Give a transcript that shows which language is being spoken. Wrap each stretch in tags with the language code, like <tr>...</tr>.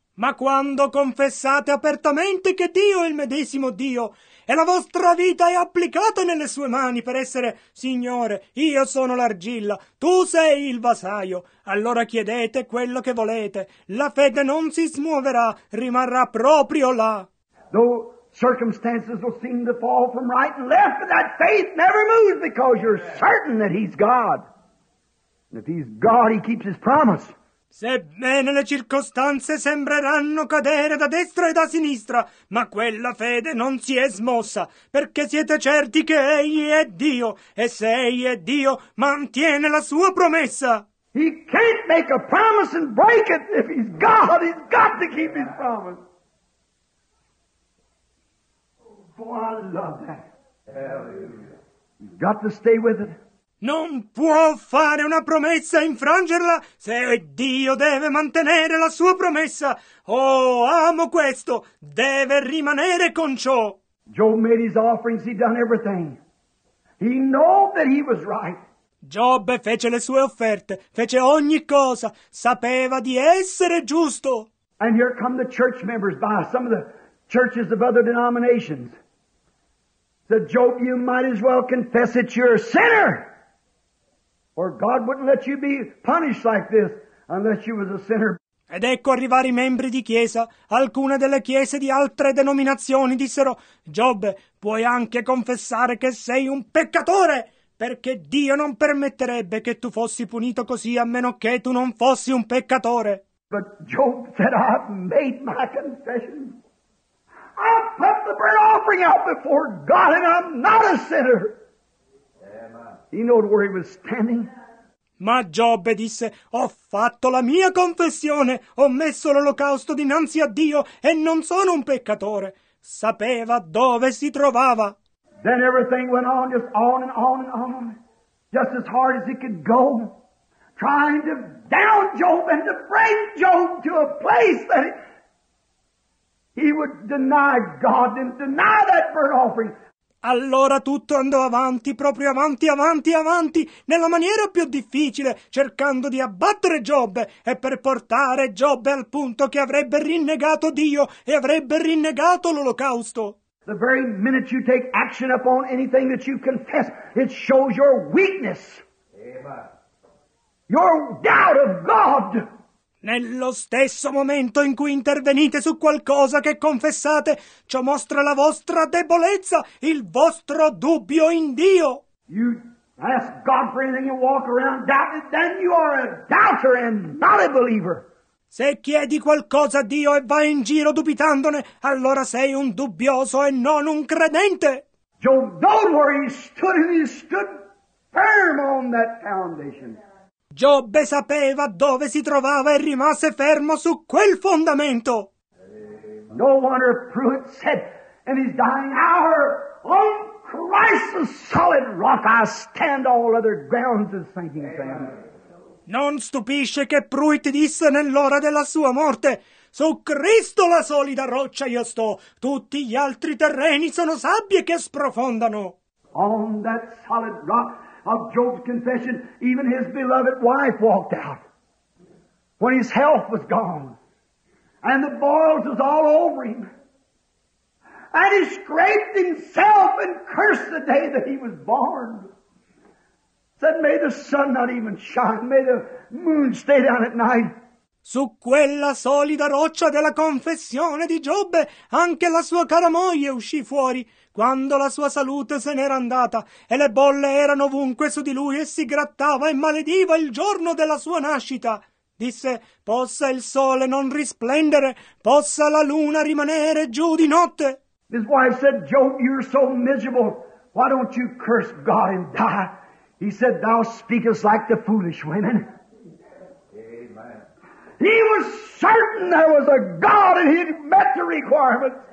<it>Ma quando confessate apertamente che Dio è il medesimo Dio e la vostra vita è applicata nelle sue mani per essere Signore, io sono l'argilla, tu sei il vasaio, allora chiedete quello che volete. La fede non si smuoverà, rimarrà proprio là.</it> <en>Though circumstances will seem to fall from right and left, but that faith never moves because you're certain that He's God. And if He's God, He keeps His promise.</en> <it>Sebbene le circostanze sembreranno cadere da destra e da sinistra, ma quella fede non si è smossa, perché siete certi che Egli è Dio, e se Egli è Dio, mantiene la sua promessa.</it> <en>He can't make a promise and break it. If He's God, He's got to keep His promise. Oh, I love that. Hallelujah. He's got to stay with it.</en> <it>Non può fare una promessa e infrangerla se Dio deve mantenere la sua promessa. Oh, amo questo. Deve rimanere con ciò.</it> <en>Job made his offerings. He done everything. He knew that he was right.</en> <it>Giobbe fece le sue offerte. Fece ogni cosa. Sapeva di essere giusto.</it> <en>And here come the church members by some of the churches of other denominations. Said, Job, you might as well confess that you're a sinner. Or God wouldn't let you be punished like this unless you was a sinner.</en> <it>Ed ecco arrivare i membri di chiesa. Alcune delle chiese di altre denominazioni dissero, Giobbe, puoi anche confessare che sei un peccatore, perché Dio non permetterebbe che tu fossi punito così a meno che tu non fossi un peccatore.</it> <en>But Job said, I've made my confession. I put the burnt offering out before God and I'm not a sinner. He knew where he was standing.</en> <it>Ma Giobbe disse, ho fatto la mia confessione, ho messo l'olocausto dinanzi a Dio e non sono un peccatore. Sapeva dove si trovava.</it> <en>Then everything went on, just on and on and on, just as hard as it could go, trying to down Job and to bring Job to a place that he would deny God and deny that burnt offering.</en> <it>Allora tutto andò avanti, proprio avanti, avanti, avanti, nella maniera più difficile, cercando di abbattere Giobbe e per portare Giobbe al punto che avrebbe rinnegato Dio e avrebbe rinnegato l'olocausto.</it> <en>The very minute you take action upon anything that you confess, it shows your weakness. Amen. Your doubt of God.</en> <it>Nello stesso momento in cui intervenite su qualcosa che confessate, ciò mostra la vostra debolezza, il vostro dubbio in Dio.</it> <en>You ask God for anything, you walk around doubting, then you are a doubter and not a believer.</en> <it>Se chiedi qualcosa a Dio e vai in giro dubitandone, allora sei un dubbioso e non un credente.</it> <en>Job knew where he stood and he stood firm on that foundation.</en> <it>Giobbe sapeva dove si trovava e rimase fermo su quel fondamento.</it> <en>No wonder Pruitt said in his dying hour, on Christ's solid rock I stand, all other grounds is sinking sand.</en> <it>Non stupisce che Pruitt disse nell'ora della sua morte, su Cristo la solida roccia io sto, tutti gli altri terreni sono sabbie che sprofondano.</it> <en>On that solid rock of Job's confession, even his beloved wife walked out when his health was gone and the boils was all over him and he scraped himself and cursed the day that he was born. Said, may the sun not even shine, may the moon stay down at night.</en> <it>Su quella solida roccia della confessione di Giobbe, anche la sua cara moglie uscì fuori quando la sua salute se n'era andata e le bolle erano ovunque su di lui e si grattava e malediva il giorno della sua nascita. Disse, possa il sole non risplendere, possa la luna rimanere giù di notte.</it> <en>His wife said, Job, you're so miserable. Why don't you curse God and die? He said, thou speakest like the foolish women. Amen. He was certain there was a God and he'd met the requirements.</en>